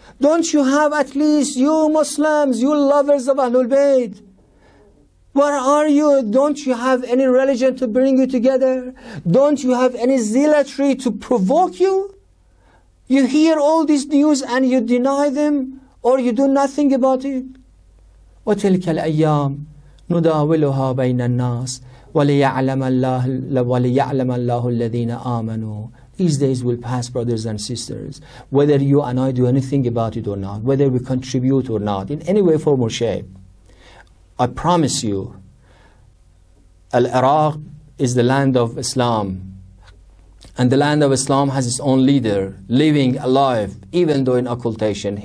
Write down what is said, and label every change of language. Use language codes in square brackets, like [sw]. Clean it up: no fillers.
[en] Don't you have at least you Muslims, you lovers of Ahlul Bayt? Where are you? Don't you have any religion to bring you together? Don't you have any zealotry to provoke you? You hear all these news and you deny them, or you do nothing about it? [ar] وَتِلْكَ الْأَيَّامِ نداولها بين الناس وليعلم الله الذين آمنوا. [en] These days will pass, brothers and sisters, whether you and I do anything about it or not, whether we contribute or not, in any way, form or shape. I promise you, Iraq is the land of Islam, and the land of Islam has its own leader, living, alive, even though in occultation.